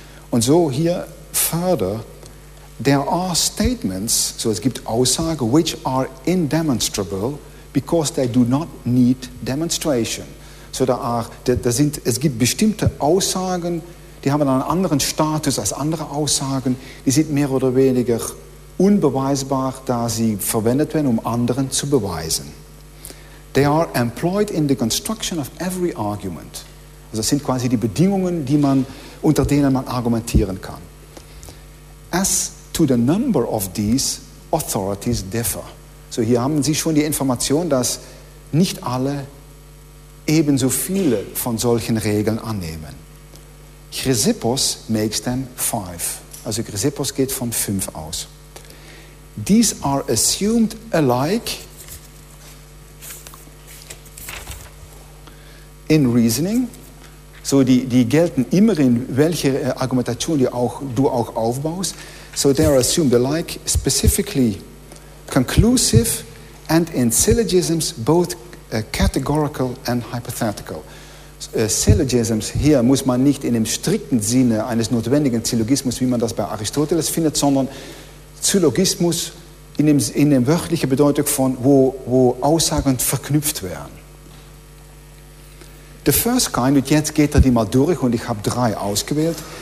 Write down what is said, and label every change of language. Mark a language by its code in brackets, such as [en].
[de] Und so hier [en] further, there are statements, [de] so es gibt Aussagen, [en] which are indemonstrable because they do not need demonstration. [de] So es gibt bestimmte Aussagen, die haben einen anderen Status als andere Aussagen. Die sind mehr oder weniger unbeweisbar, da sie verwendet werden, um anderen zu beweisen. [en] They are employed in the construction of every argument. [de] Also das sind quasi die Bedingungen, unter denen man argumentieren kann. [en] As to the number of these, authorities differ. [de] So hier haben Sie schon die Information, dass nicht alle ebenso viele von solchen Regeln annehmen. [en] Chrysippus makes them 5. [de] Also Chrysippus geht von 5 aus. [en] These are assumed alike in reasoning. [de] So die gelten immer in welche Argumentation du auch aufbaust. [en] So they are assumed alike, specifically conclusive and in syllogisms, both categorical and hypothetical. [de] Syllogisms, hier muss man nicht in dem strikten Sinne eines notwendigen Syllogismus, wie man das bei Aristoteles findet, sondern Syllogismus in dem wörtlichen Bedeutung von, wo Aussagen verknüpft werden. [en] The first kind, [de] und jetzt geht er die mal durch und ich habe 3 ausgewählt.